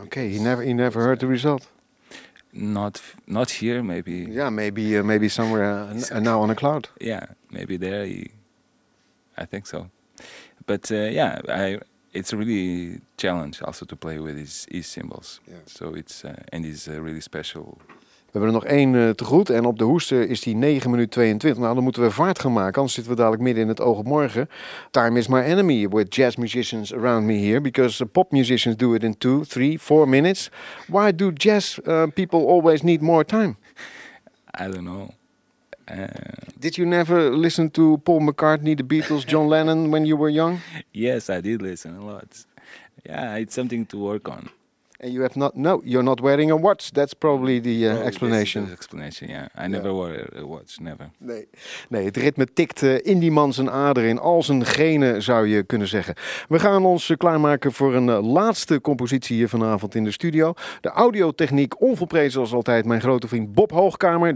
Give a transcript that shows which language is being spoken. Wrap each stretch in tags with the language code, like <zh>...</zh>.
<en>Okay, he never heard the result. Not here, maybe. Yeah, maybe somewhere now on a cloud. Yeah, maybe there. I think so. But it's a really challenge also to play with his cymbals. Yeah. So it's and he's really special.</en> <nl>We hebben er nog één te goed en op de hoesten is die 9 minuten 22. Nou, dan moeten we vaart gaan maken, anders zitten we dadelijk midden in het oog op morgen.</nl> <en>Time is my enemy with jazz musicians around me here, because pop musicians do it in 2, 3, 4 minutes. Why do jazz people always need more time? I don't know. Did you never listen to Paul McCartney, the Beatles, John Lennon when you were young? Yes, I did listen a lot. Yeah, it's something to work on. And you have not, no, you're not wearing a watch. That's probably the explanation. The explanation, yeah. I never wore a watch, never.</en> <nl>Nee, het ritme tikt in die man zijn aderen, in al zijn genen, zou je kunnen zeggen. We gaan ons klaarmaken voor een laatste compositie hier vanavond in de studio. De audiotechniek onvolprezen zoals altijd, mijn grote vriend Bob Hoogkamer.</nl>